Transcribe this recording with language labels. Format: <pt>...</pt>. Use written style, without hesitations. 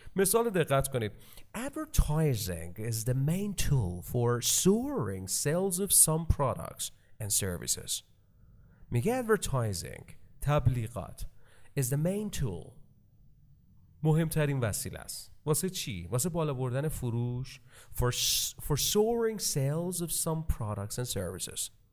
<fa>مثال دقت کنید:</fa> <en>advertising is the main tool for soaring sales of some products and services.</en> <fa>میگه advertising تبلیغات</fa> <en>is the main tool</en> <fa>مهمترین وسیله است. واسه چی؟ واسه بالا بردن فروش</fa> <en>for soaring sales of some products and services.</en>